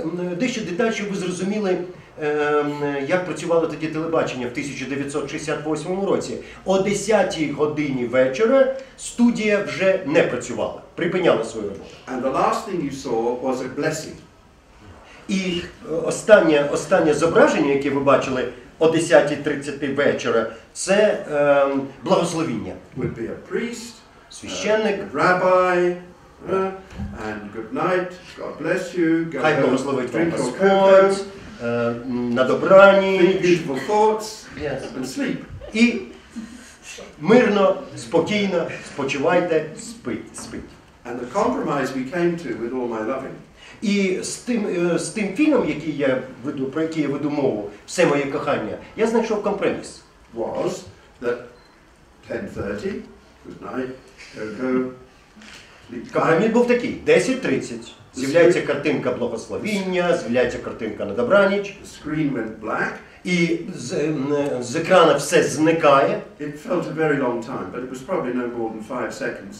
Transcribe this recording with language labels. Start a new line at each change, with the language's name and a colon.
Ukrainian: Yes. Дещо детально, щоб ви зрозуміли, як працювало тоді телебачення в 1968 році. О 10-й годині вечора студія вже не працювала, припиняла свою роботу.
English: And the last thing you saw was a blessing.
Ukrainian: І останнє зображення, яке ви бачили о 10:30 вечора, це благословіння.
English: Would be a priest,
Ukrainian: священник,
English: rabbi, and good night, God bless you,
Ukrainian: хай благословить вам Господь, на добраніч,
English: beautiful thoughts, yes, and sleep.
Ukrainian: І мирно, спокійно спочивайте, спіть.
English: And the compromise we came to with all my loving.
Ukrainian: І з тим фільмом, який я веду, про який я веду мову, «Все моє кохання», я знайшов компроміс.
English: Was that 10:30, good night, go.
Ukrainian: Компроміс був такий, 10:30, з'являється картинка благословіння, з'являється картинка на добраніч.
English: The screen went black.
Ukrainian: І з екрана все зникає.
English: It felt a very long time, but it was probably no more than 5 seconds.